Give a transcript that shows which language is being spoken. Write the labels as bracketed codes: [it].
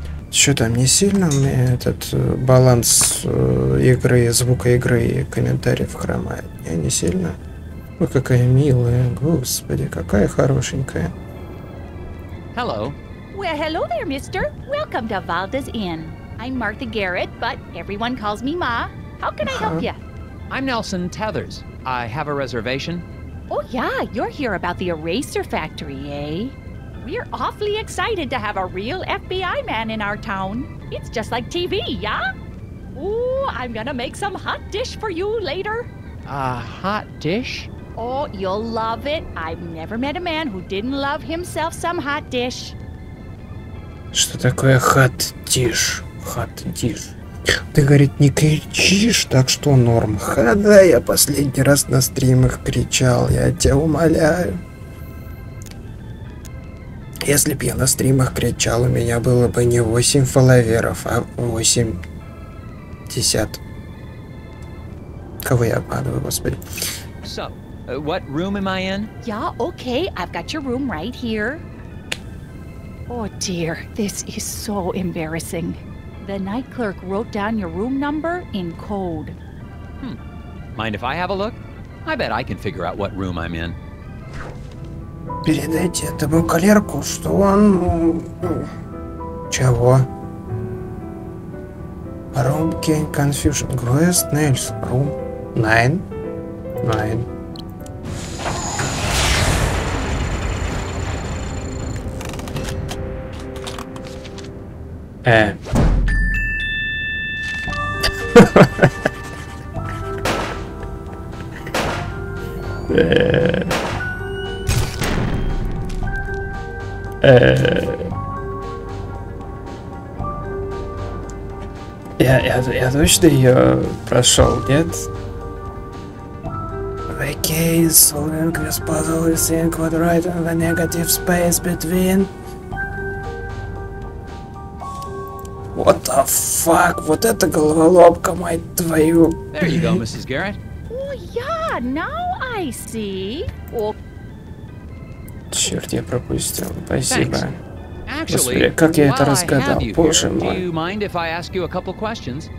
[ru] Что там, не сильно мне этот баланс игры, звука игры и комментариев хромает? Я не сильно. Ой, какая милая, господи, какая хорошенькая. [en] Hello. Well, hello there, mister. Welcome to Valda's Inn. I'm Martha Garrett, but everyone calls me Ma. How can I help you? I'm Nelson Tethers. I have a reservation. Oh yeah, you're here about the eraser factory, eh? We're awfully excited to have a real FBI man in our town. It's just like TV, yeah? Ooh, I'm gonna make some hot dish for you later. a hot dish? Oh, you'll love it. I've never met a man who didn't love himself some hot dish. [ru] Что такое hot dish? Hot dish. Ты, говорит, не кричишь, так что норм. Ха, да, я последний раз на стримах кричал, я тебя умоляю. Если б я на стримах кричал, у меня было бы не 8 фолловеров, а 80. Кого я обманываю, господи. [en] So, what room am I in? Yeah, okay, I've got your room right here. Oh dear, this is so embarrassing. The night clerk wrote down your room number in code. Hmm. Mind if I have a look? I bet I can figure out what room I'm in. [ru] Передайте этому клерку, что он... Чего? [en] Room King Confusion. Grace Nails. Room 9. [ru] Я точно ее прошел, нет? [en] The case solving this puzzle is in quadrating the negative space between. What the fuck? [ru] Вот это головоломка, мать твою. [en] There you go, Mrs. Garrett. Oh yeah, now I see. [ru] Oh. Черт, я пропустил. Спасибо. [en] Thanks. [ru] Господи, как я это разгадал? Боже мой. [en] Do you mind if I ask you a couple questions?